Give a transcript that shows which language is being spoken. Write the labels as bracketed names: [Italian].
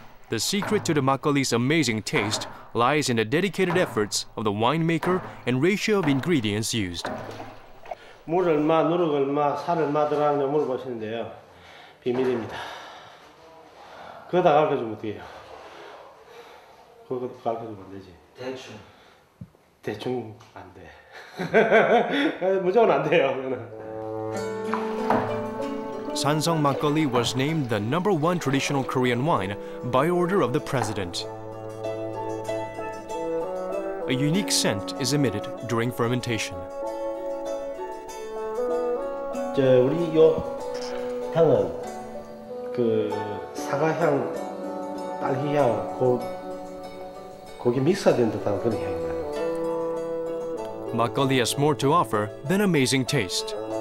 [English] The secret to the makgeolli's amazing taste lies in the dedicated efforts of the winemaker and ratio of ingredients used. [Korean] 물 얼마, 누룩 얼마, 살 얼마 들어가는지 물어보시는데요. 비밀입니다. 그거 다 가르쳐주면 어떡해요? 그것도 가르쳐주면 안 되지. 대충. 대충 안 돼. 무조건 안 돼요. [English] 산성 막걸리 was named the number one traditional Korean wine by order of the president. A unique scent is emitted during fermentation. [Korean] 저 우리 요 향은 그 사과향, 딸기향, 고기 믹스된 듯한 그런 향입니다. [English] Makgeolli has more to offer than amazing taste.